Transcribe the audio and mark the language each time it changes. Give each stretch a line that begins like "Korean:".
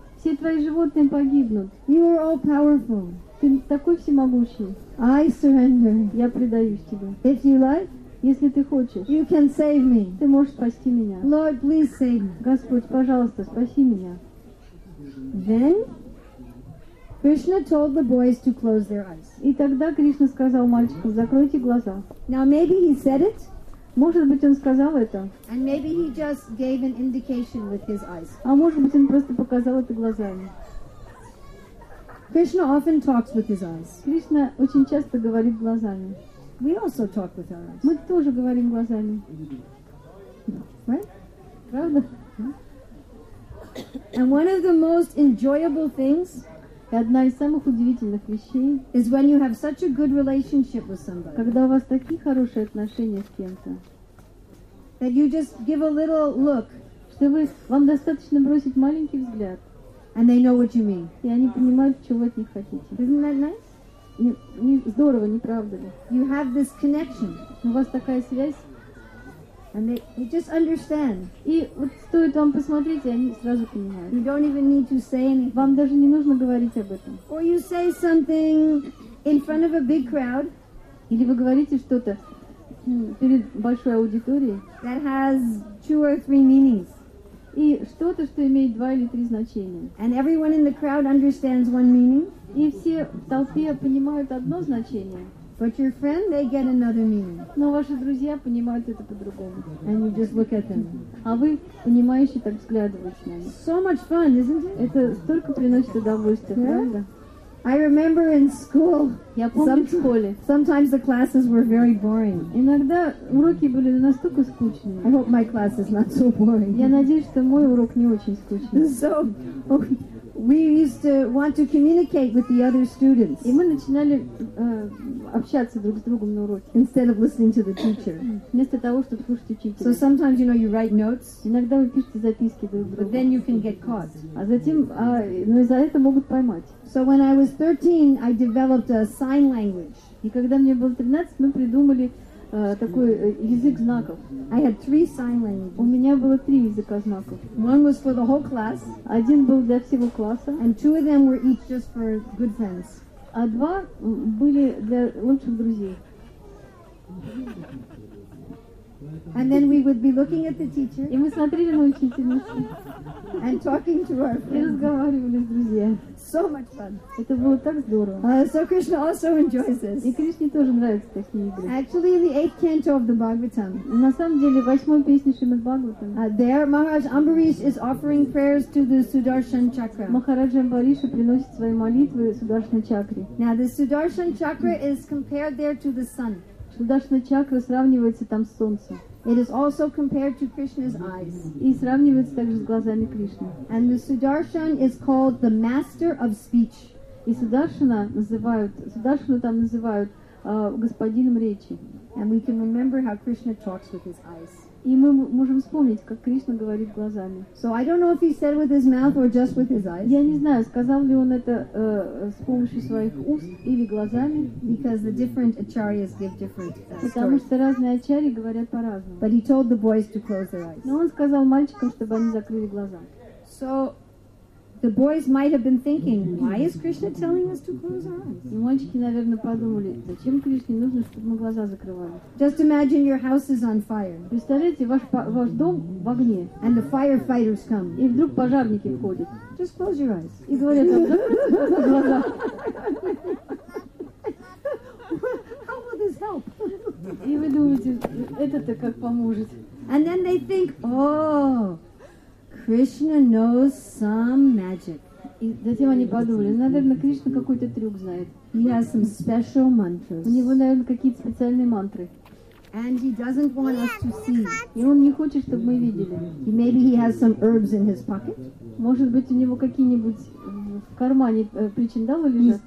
Russian: Все твои животные погибнут.
English: You are all powerful.
Russian: Ты такой всемогущий.
English: I surrender.
Russian: Я предаюсь тебе.
English: If you like,
Russian: если ты хочешь,
English: you can save me.
Russian: Ты можешь спасти меня.
English: Lord, please save me.
Russian: Господь, пожалуйста, спаси меня.
English: Then Krishna told the boys to close their eyes.
Russian: И тогда Кришна сказал мальчикам: закройте глаза.
English: Now maybe he said it.
Russian: Может быть, он сказал это.
English: And maybe he just gave an indication with his eyes.
Russian: А может быть, он просто показал это глазами.
English: Krishna often talks with his eyes.
Russian: Кришна очень часто говорит глазами.
English: We also talk with our eyes.
Russian: Мы тоже говорим глазами.
English: Right?
Russian: Правда?
English: And one of the most enjoyable things,
Russian: и одна из самых удивительных вещей,
English: is when you have such a good relationship with somebody.
Russian: Когда у вас такие хорошие отношения с кем-то.
English: That you just give a little look.
Russian: Что вы, вам достаточно бросить маленький взгляд.
English: And they know what you mean.
Russian: И они понимают, чего от них хотите.
English: Isn't that nice?
Russian: Не, здорово, не правда ли?
English: You have this connection.
Russian: У вас такая связь.
English: And they just understand.
Russian: И вот стоит вам посмотреть, и они сразу понимают.
English: You don't even need to say anything.
Russian: Вам даже не нужно говорить об этом.
English: Or you say something in front of a big crowd.
Russian: Или вы говорите что-то перед большой аудиторией.
English: That has two or three meanings.
Russian: И что-то, что имеет два или три значения.
English: And everyone in the crowd understands one meaning.
Russian: И все в толпе понимают одно значение.
English: But your friend, they get another meaning.
Russian: Но ваши друзья понимают это по-другому.
English: And you just look at them.
Russian: А вы, понимающие, так взглядываете на них.
English: So much fun, isn't it?
Russian: Это столько приносит удовольствия, yeah? Правда?
English: I remember in school.
Russian: Я помню в школе.
English: Sometimes the classes were very boring.
Russian: Иногда уроки были настолько скучные.
English: I hope my class is not so boring.
Russian: Я надеюсь, что мой урок не очень скучный.
English: So, we used to want to communicate with the other students.
Russian: И мы начинали общаться друг с другом на уроке.
English: Instead of listening to the teacher.
Russian: Вместо того, чтобы слушать учителя.
English: So sometimes, you know, you write notes.
Russian: Иногда вы пишете записки друг другу.
English: But then you can get caught.
Russian: А затем, но из-за этого могут поймать.
English: So when I was 13, I developed a sign language.
Russian: И когда мне было 13, мы придумали такой язык знаков.
English: I had three sign languages.
Russian: У меня было три языка знаков.
English: One was for the whole class.
Russian: Один был для всего класса.
English: And two of them were each just for good friends.
Russian: А два были для лучших друзей.
English: And then we would be looking at the teacher.
Russian: И мы смотрели на учительницу.
English: And talking to our friends.
Russian: И разговаривали с друзьями.
English: So much fun.
Russian: Это было так здорово.
English: So Krishna also enjoys this.
Russian: И Кришне тоже нравятся такие игры.
English: Actually, in the eighth canto of the Bhagavatam.
Russian: На самом деле, восьмой песне Шримад-Бхагаватам.
English: There, Maharaj Ambarish is offering prayers to the Sudarshan Chakra.
Russian: Махарадж Амбариша приносит свои молитвы Сударшан Чакре.
English: Now, the Sudarshan Chakra is compared there to the sun.
Russian: Сударшана Чакра сравнивается там с солнцем.
English: It is also compared to Krishna's eyes.
Russian: И сравнивается также с глазами Кришны.
English: And the Sudarshan is called the master of speech.
Russian: И Сударшану там называют господином речи.
English: And we can remember how Krishna talks with his eyes.
Russian: И мы можем вспомнить, как Кришна говорит глазами.
English: So I don't know if he said with his mouth or just with his eyes.
Russian: Я не знаю, сказал ли он это с помощью своих уст или глазами.
English: Because the different acharyas give different stories.
Russian: Потому что разные ачарьи говорят по-разному.
English: But he told the boys to close their eyes.
Russian: Но он сказал мальчикам, чтобы они закрыли глаза.
English: So the boys might have been thinking, why is Krishna telling us to close our eyes?
Russian: И мальчики, наверное, подумали, зачем Кришне нужно, чтобы мы глаза закрывали?
English: Just imagine your house is on fire.
Russian: Представляете, ваш дом в огне.
English: And the firefighters come.
Russian: И вдруг пожарники входят.
English: Just close your eyes.
Russian: И говорят, закройте глаза.
English: How will this help?
Russian: И вы думаете, это-то как поможет.
English: And then they think, oh, Krishna knows some magic.
Russian: И затем они подумали, наверное, Кришна какой-то трюк знает.
English: He has some special mantras.
Russian: У него, наверное, какие-то специальные мантры.
English: And he doesn't want us to see.
Russian: И он не хочет, чтобы мы видели.
English: Maybe he has some herbs in his pocket.
Russian: Может быть, у него какие-нибудь в кармане причиндалы лежат.